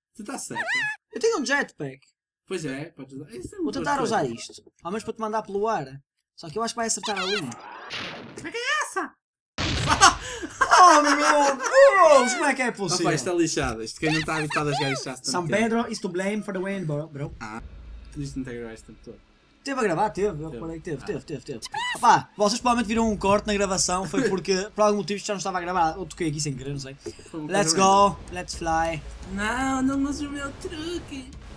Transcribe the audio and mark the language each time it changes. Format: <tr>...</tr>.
<pt>Tu estás certo. Eu tenho um jetpack. Pois é, podes usar. Isso é vou tentar coisa. Usar isto. Ao menos para te mandar pelo ar. Só que eu acho que vai acertar ali. Como é que é essa? Oh meu Deus! Como é que é possível? Opa, isto é lixado, isto quem não está habituado a jogar isto já está.</pt> <en>São Pedro is to blame for the win, bro.</en> <pt>Ah, tudo isto não está a gravar este tempo todo. Teve a gravar, teve, eu falei que teve. Opa, vocês provavelmente viram um corte na gravação, foi porque por algum motivo isto já não estava a gravar. Ou toquei aqui sem querer, não sei.</pt> <en>Let's go, let's fly.</en> <pt>Não, não use o meu truque.</pt>